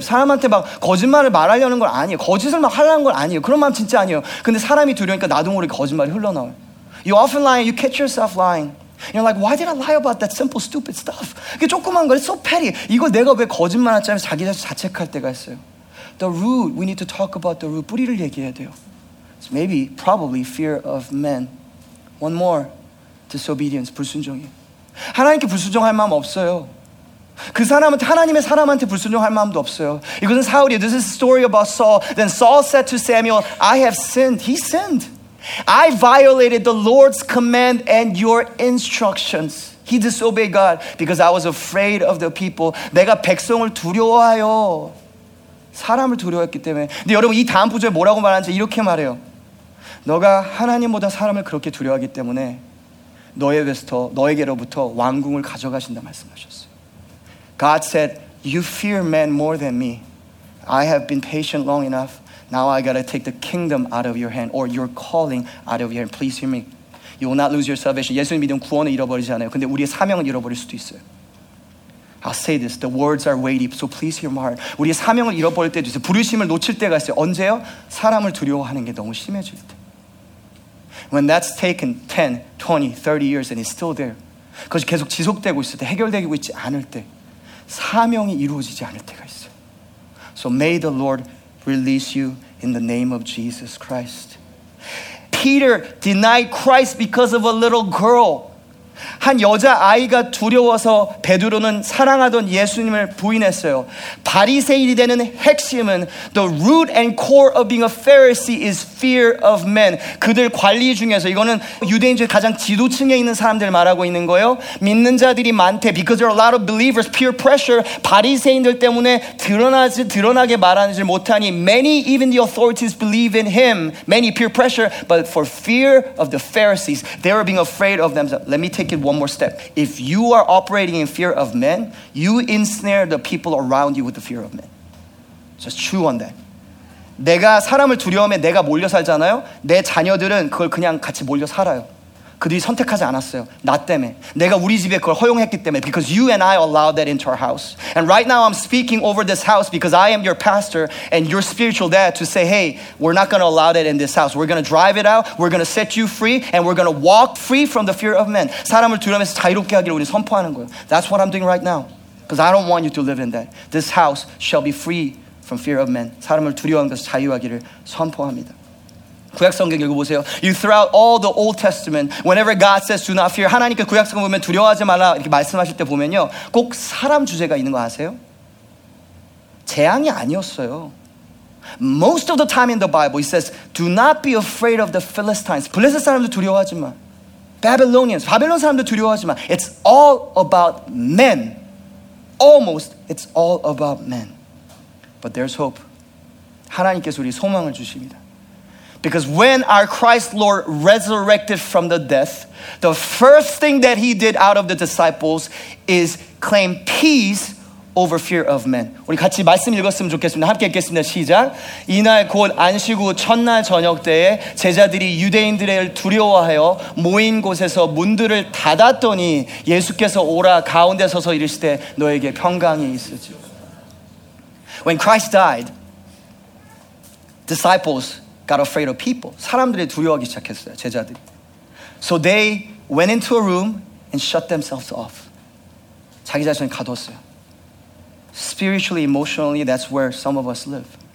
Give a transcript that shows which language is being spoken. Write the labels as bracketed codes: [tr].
[ko] 사람한테 막 거짓말을 말하려는 건 아니에요. 거짓을 막 하려는 건 아니에요. 그런 마음 진짜 아니에요. 근데 사람이 두려우니까 나도 모르게 거짓말이 흘러나와요. [en] You often lie and you catch yourself lying. You're like, why did I lie about that simple, stupid stuff? [ko] 이게 조그만 거, [en] it's so petty. [ko] 이걸 내가 왜 거짓말 하자면 자기 자신 자책할 때가 있어요. [en] The root, we need to talk about the root. [ko] 뿌리를 얘기해야 돼요. [en] So maybe, probably, fear of men. One more, disobedience, 불순종이. [ko] 하나님께 불순종할 마음 없어요. 그 사람한테 하나님의 사람한테 불순종할 마음도 없어요. 이것은 사울이에요. [en] This is a story about Saul. Then Saul said to Samuel, I have sinned. He sinned. I violated the Lord's command and your instructions. He disobeyed God because I was afraid of the people. [ko] 내가 백성을 두려워하여. 사람을 두려워했기 때문에. 근데 여러분 이 다음 부절에 뭐라고 말하는지 이렇게 말해요. 너가 하나님보다 사람을 그렇게 두려워하기 때문에 너에게로부터 왕궁을 가져가신다 말씀하셨어요. [en] God said, you fear men more than me. I have been patient long enough. Now I gotta take the kingdom out of your hand or your calling out of your hand. Please hear me. You will not lose your salvation. [ko] 예수님 믿음 구원을 잃어버리지 않아요. 근데 우리의 사명을 잃어버릴 수도 있어요. [en] I'll say this. The words are weighty. So please hear my heart. [ko] 우리의 사명을 잃어버릴 때도 있어요. 부르심을 놓칠 때가 있어요. 언제요? 사람을 두려워하는 게 너무 심해질 때. [en] When that's taken 10, 20, 30 years and it's still there. [ko] 그것이 계속 지속되고 있을 때, 해결되고 있지 않을 때, 사명이 이루어지지 않을 때가 있어요. [en] So may the Lord release you in the name of Jesus Christ. Peter denied Christ because of a little girl. [ko] 한 여자 아이가 두려워서 베드로는 사랑하던 예수님을 부인했어요. 바리새인이 되는 핵심은 [en] the root and core of being a Pharisee is fear of men. [ko] 그들 관리 중에서 이거는 유대인들 가장 지도층에 있는 사람들 말하고 있는 거예요. 믿는 자들이 많대 [en] because there are a lot of believers peer pressure. [ko] 바리새인들 때문에 드러나게 말하지 못하니 [en] many even the authorities believe in him. Many peer pressure but for fear of the Pharisees they are being afraid of themselves. Let me take it one more step. If you are operating in fear of men, you ensnare the people around you with the fear of men. Just chew on that. [ko] 내가 사람을 두려움에 내가 몰려 살잖아요. 내 자녀들은 그걸 그냥 같이 몰려 살아요. 그들이 선택하지 않았어요. 나 때문에. 내가 우리 집에 그걸 허용했기 때문에. [en] Because you and I allowed that into our house. And right now I'm speaking over this house because I am your pastor and your spiritual dad to say, hey, we're not going to allow that in this house. We're going to drive it out. We're going to set you free and we're going to walk free from the fear of men. [ko] 사람을 두려움에서 자유롭게 하기를 우리 선포하는 거예요. [en] That's what I'm doing right now. Because I don't want you to live in that. This house shall be free from fear of men. [ko] 사람을 두려움에서 자유하기를 선포합니다. 구약 성경 읽어보세요. [en] You throughout all the Old Testament, whenever God says do not fear, [ko] 하나님께 구약 성경 보면 두려워하지 말라 이렇게 말씀하실 때 보면요. 꼭 사람 주제가 있는 거 아세요? 재앙이 아니었어요. [en] Most of the time in the Bible, it says do not be afraid of the Philistines. [ko] 블레셋 사람들 두려워하지 마. [en] Babylonians, [ko] 바벨론 사람들 두려워하지 마. [en] It's all about men. Almost, it's all about men. But there's hope. [ko] 하나님께서 우리 소망을 주십니다. [en] Because when our Christ Lord resurrected from the death, the first thing that he did out of the disciples is claim peace over fear of men. [ko] 우리 같이 말씀 읽었으면 좋겠습니다. 함께 읽겠습니다. 시작. 이날 곧 안식 후 첫날 저녁 때에 제자들이 유대인들을 두려워하여 모인 곳에서 문들을 닫았더니 예수께서 오라 가운데 서서 이르시되 너에게 평강이 있을지. [en] When Christ died, disciples got afraid of people. [ko] 사람들이 두려워하기 시작했어요, 제자들이. [en] So they went into a room and shut themselves off. [ko] 자기 자신을 가뒀어요. [en] Spiritually, emotionally, that's where some of us live.